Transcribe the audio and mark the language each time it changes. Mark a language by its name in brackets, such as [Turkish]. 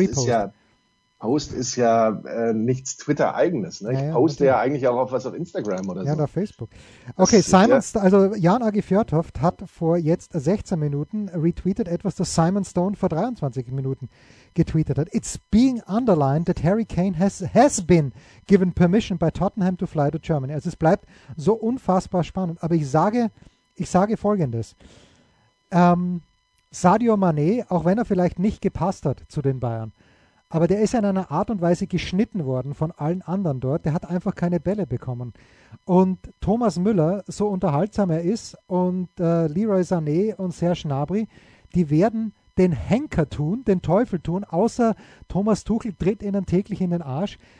[German] Ist ja, Post ist ja nichts Twitter-Eigenes. Ne? Ich poste ja eigentlich auch auf was auf Instagram oder ja, so. Ja, auf Facebook. Okay, Simon, also Jan Agi Fjørtoft hat vor jetzt 16 Minuten retweetet etwas, das Simon Stone vor 23 Minuten getweetet hat. [English] It's being underlined that Harry Kane has been given permission by Tottenham to fly to Germany. [German] Also es bleibt so unfassbar spannend. Aber ich sage Folgendes. Sadio Mané, auch wenn er vielleicht nicht gepasst hat zu den Bayern, aber der ist in einer Art und Weise geschnitten worden von allen anderen dort. Der hat einfach keine Bälle bekommen. Und Thomas Müller, so unterhaltsam er ist, und Leroy Sané und Serge Gnabry, die werden den Henker tun, den Teufel tun, außer Thomas Tuchel tritt ihnen täglich in den Arsch.